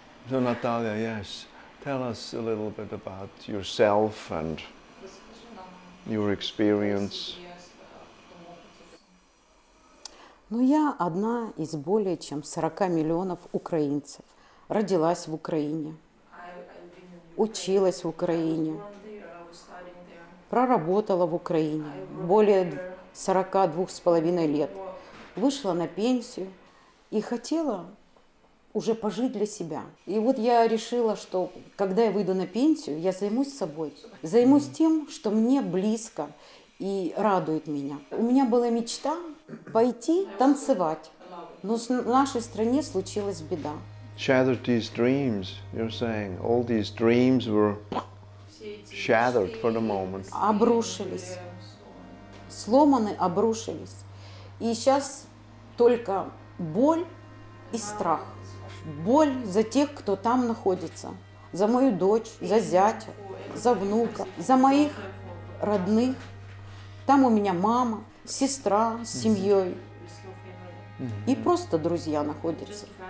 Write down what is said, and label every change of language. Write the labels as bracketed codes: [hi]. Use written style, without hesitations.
[en] So Natalia, yes, tell us a little bit about yourself and your experience. [ru] Ну, я одна из более чем 40 миллионов украинцев. Родилась в Украине, училась в Украине, проработала в Украине более 42,5 лет. Вышла на пенсию и хотела уже пожить для себя. И вот я решила, что когда я выйду на пенсию, я займусь собой. Займусь тем, что мне близко и радует меня. У меня была мечта пойти танцевать, но в нашей стране случилась беда. [en] Shattered these dreams, you're saying. All these dreams were shattered for the moment. [ru] Обрушились. Сломаны, обрушились. И сейчас только боль и страх. Боль за тех, кто там находится. За мою дочь, за зятя, за внука, за моих родных. Там у меня мама, сестра с семьей. И просто друзья находятся.